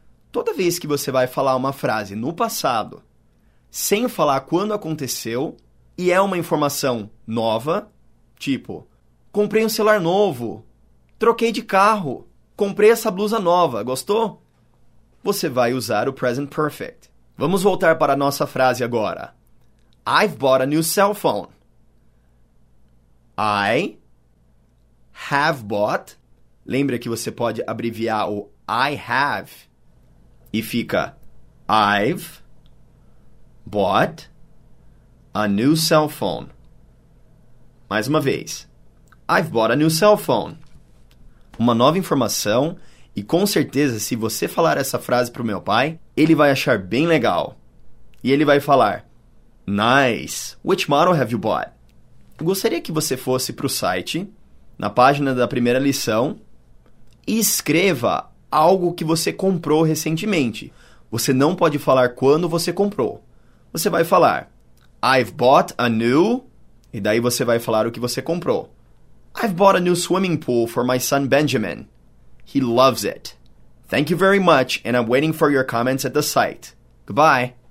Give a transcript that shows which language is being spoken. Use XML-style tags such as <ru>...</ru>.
<pt>Toda vez que você vai falar uma frase no passado, sem falar quando aconteceu, e é uma informação nova, tipo, comprei um celular novo, troquei de carro, comprei essa blusa nova, gostou? Você vai usar o present perfect. Vamos voltar para a nossa frase agora.</pt> <en>I've bought a new cell phone. I have bought.</en> <pt>Lembra que você pode abreviar o I have e fica</pt> <en>I've bought a new cell phone.</en> <pt>Mais uma vez.</pt> <en>I've bought a new cell phone.</en> <pt>Uma nova informação. E com certeza, se você falar essa frase para o meu pai, ele vai achar bem legal. E ele vai falar,</pt> <en>nice, which model have you bought?</en> <pt>Eu gostaria que você fosse para o site, na página da primeira lição, e escreva algo que você comprou recentemente. Você não pode falar quando você comprou. Você vai falar,</pt> <en>I've bought a new,</en> <pt>e daí você vai falar o que você comprou.</pt> <en>I've bought a new swimming pool for my son Benjamin. He loves it. Thank you very much, and I'm waiting for your comments at the site. Goodbye.</en>